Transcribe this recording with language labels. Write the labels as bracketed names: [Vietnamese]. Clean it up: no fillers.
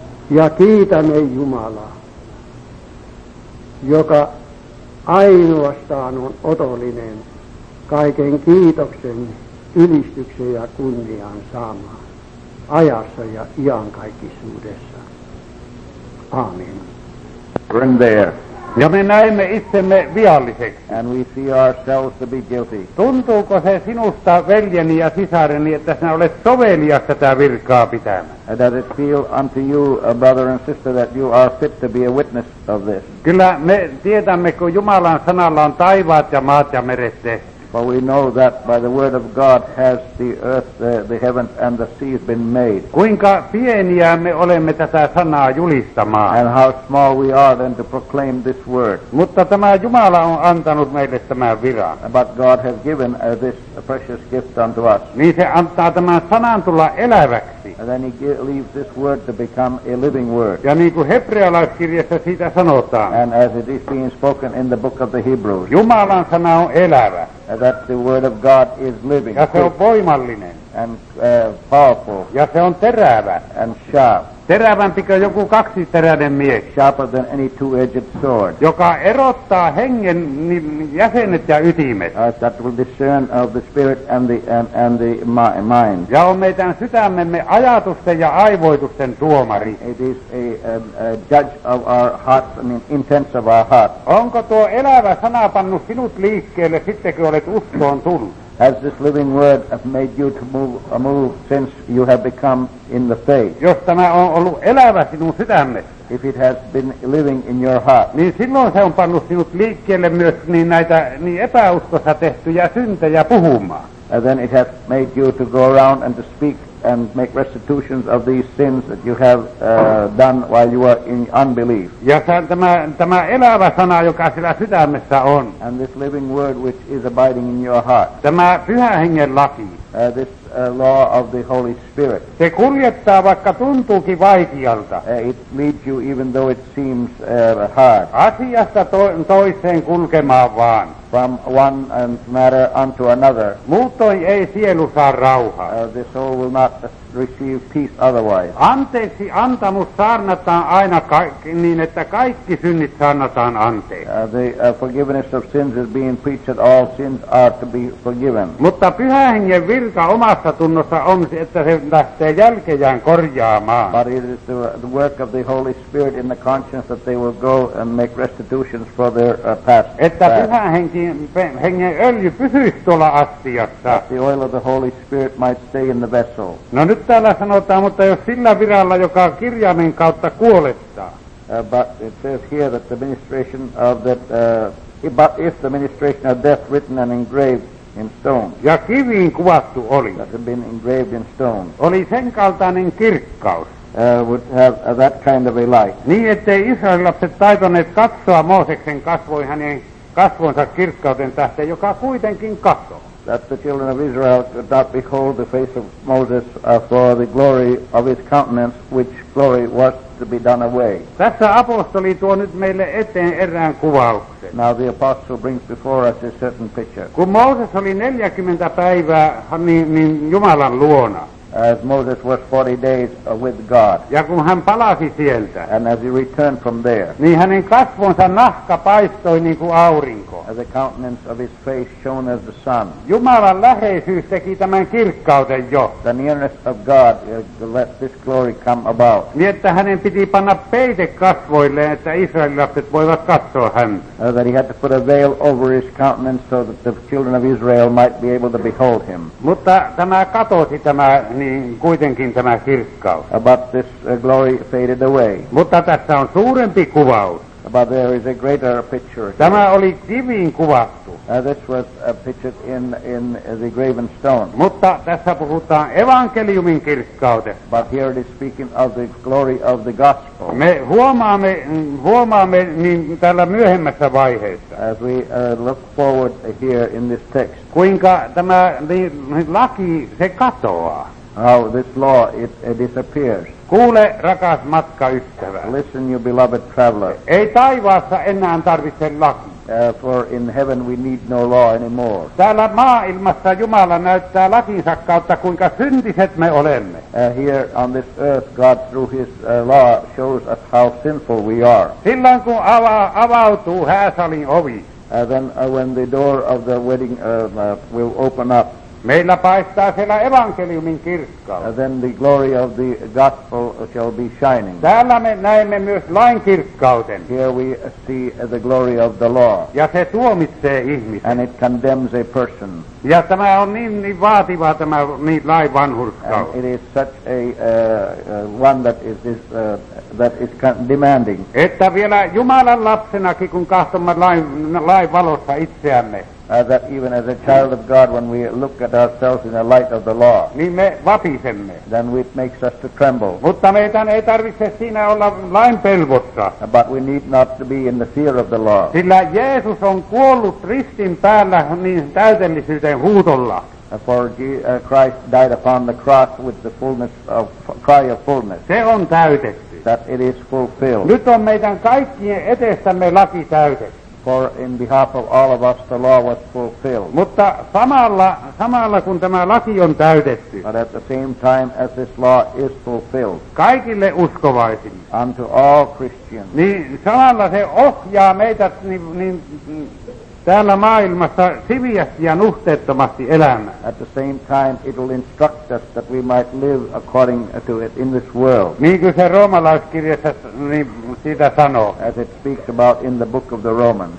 [Finnish] Ja kiitämme Jumalaa, joka ainoastaan on otollinen kaiken kiitoksen, ylistyksen ja kunnian saamaan ajassa ja iankaikkisuudessa. Amen. Run there. Ja me näemme itsemme vialliseksi. [English] And we see ourselves to be guilty. [Finnish] Tuntuuko se sinusta, veljeni ja sisareni, että sinä olet sovelias tätä virkaa pitämään? [English] Does it feel unto you, a brother and sister, that you are fit to be a witness of this? [Finnish] Kyllä me tiedämme, kun Jumalan sanalla on taivaat ja maat ja meret tehty. [English] For we know that by the word of God has the earth, the heavens and the seas been made. [Finnish] Kuinka pieniä me olemme tätä sanaa julistamaan. [English] And how small we are then to proclaim this word. [Finnish] Mutta tämä Jumala on antanut meille tämän viran. [English] But God has given this precious gift unto us. [Finnish] Niin se antaa tämän sanan tulla eläväksi. [English] And then he leaves this word to become a living word. [Finnish] Ja niin kuin hebrealaiskirjassa siitä sanotaan. [English] And as it is being spoken in the book of the Hebrews. [Finnish] Jumalan sana on elävä. [English] That the word of God is living. [Finnish] Ja se on voimallinen. [English] And powerful. [Finnish] Ja se on terävä. [English] And sharp. [Finnish] Terävämpikö joku kaksiteräinen mies. [English] Sharper than any two-edged sword. [Finnish] Joka erottaa hengen jäsenet ja ytimet. [English] That will discern of the spirit and the mind. [Finnish] Ja on meidän sydämemme ajatusten ja aivoitusten tuomari. [English] It is a judge of our hearts, I mean intents of our hearts. [Finnish] Onko tuo elävä sana pannut sinut liikkeelle sitten, kun olet uskoon tullut? [English] Has this living word made you to move since you have become in the faith? [Finnish] Jos tämä on ollut elävä sinun sydämessä. [English] If it has been living in your heart. [Finnish] Niin silloin se on pannut sinut liikkeelle myös niin epäuskossa tehtyjä syntejä puhumaan. [English] And then it has made you to go around and to speak and make restitutions of these sins that you have done while you were in unbelief. [Finnish] Ja tämä elävä sana, joka siellä sydämessä on. [English] And this living word which is abiding in your heart. [Finnish] Tämä Pyhän Hengen laki. [English] This law of the Holy Spirit. [Finnish] Se kuljettaa, vaikka tuntuukin vaikealta. [English] It leads you even though it seems hard. [Finnish] Asiasta toiseen kulkemaan vaan. [English] From one and matter unto another. [Finnish] Muutoin ei sielu saa rauhaa. [English] The soul will not receive peace otherwise. [Finnish] Anteeksi antamus saarnataan aina niin, että kaikki synnit saarnataan anteeksi. [English] The forgiveness of sins is being preached that all sins are to be forgiven. [Finnish] Mutta Pyhän Hengen virka omassa tunnossa on, että se lähtee jälkeään korjaamaan. [English] But it is the work of the Holy Spirit in the conscience that they will go and make restitutions for their past. [Finnish] Että Pyhän Hengen öljy pysyisi tuolla astiassa. [English] The oil of the Holy Spirit might stay in the vessel. [Finnish] No nyt täällä sanotaan, mutta jos sillä viralla, joka kirjaimen kautta kuolettaa. [English] But it says here that the ministration of that, but if the ministration of death written and engraved in stone. [Finnish] Ja kiviin kuvattu oli. [English] That had been engraved in stone. [Finnish] Oli sen kaltainen kirkkaus. [English] Would have that kind of a light. [Finnish] Niin ettei Israelin lapset taitoneet katsoa Mooseksen kasvoi hänen kasvonsa kirkkauden tähteen, joka kuitenkin katsoo. [English] That the children of Israel could not behold the face of Moses for the glory of his countenance, which glory was to be done away. [Finnish] Tässä apostoli tuo nyt meille eteen erään kuvauksen. [English] Now the apostle brings before us a certain picture. [Finnish] Kun Mooses oli 40 päivää niin Jumalan luona. [English] As Moses was 40 days with God. [Finnish] Ja kun hän palasi sieltä. [English] And as he returned from there. [Finnish] Niin hänen kasvonsa nahka paistoi niin kuin aurinko. [English] The countenance of his face shone as the sun. [Finnish] Jumalan läheisyys teki tämän kirkkauden jo. [English] The nearness of God let this glory come about. [Finnish] Niin että hänen piti panna peite kasvoille, että israelilapset voivat katsoa häntä. [English] That he had to put a veil over his countenance so that the children of Israel might be able to behold him. [Finnish] Mutta tämä katosi tämä niin kuitenkin tämä kirkkaus. [English] But this glory faded away. [Finnish] Mutta tässä on suurempi kuvaus. [English] But there is a greater picture. [Finnish] Tämä oli kiviin kuvattu. [English] This was pictured in the graven stone. [Finnish] Mutta tässä puhutaan evankeliumin kirkkaudesta. [English] But here it is speaking of the glory of the gospel. [Finnish] Me huomaamme niin tällä myöhemmässä vaiheessa. [English] As we look forward here in this text. [Finnish] Kuinka tämä laki se katoaa. [English] How this law it disappears. [Finnish] Kuule, rakas matkaystävä. [English] Listen, you beloved traveler. [Finnish] Ei taivaassa enää tarvitse laki. [English] For in heaven we need no law anymore. [Finnish] Täällä maailmassa Jumala näyttää lakinsa kautta, kuinka syntiset me olemme. [English] Here on this earth, God through his law shows us how sinful we are. [Finnish] Silloin kun avautuu hääsalin ovi. [English] When the door of the wedding will open up. [Finnish] Meillä paistaa siellä evankeliumin kirkkaus. [English] Then the glory of the gospel shall be shining. [Finnish] Täällä me näemme myös lain kirkkauden. [English] Here we see the glory of the law. [Finnish] Ja se tuomitsee ihmisen. [English] And it condemns a person. [Finnish] Ja tämä on niin vaativa tämä niin lain vanhurskaus. [English] It is such a one that is demanding. [Finnish] Että vielä Jumalan lapsenakin kun katsomme lain valossa itseämme. [English] That even as a child of God, when we look at ourselves in the light of the law, [Finnish] niin me vapisemme. [English] Then it makes us to tremble. [Finnish] Mutta meidän ei tarvitse siinä olla lain pelvossa. [English] But we need not to be in the fear of the law. [Finnish] Sillä Jeesus on kuollut ristin päällä niin täydellisyyden huutolla. [English] For Christ died upon the cross with the fullness of cry of fullness. [Finnish] Se on täytetty. [English] That it is fulfilled. [Finnish] Nyt on meidän kaikkien edessämme laki täytetty. [English] For in behalf of all of us, the law was fulfilled. [Finnish] Mutta samalla kun tämä laki on täytetty. [English] But at the same time as this law is fulfilled. [Finnish] Kaikille uskovaisille. [English] Unto all Christians. [Finnish] Niin samalla se ohjaa meitä niin täällä maailmassa siviästi ja nuhteettomasti elämään. [English] At the same time it will instruct us that we might live according to it in this world. [Finnish] Niin kuin se roomalaiskirjassa siitä sanoo. [English] As it speaks about in the book of the Romans.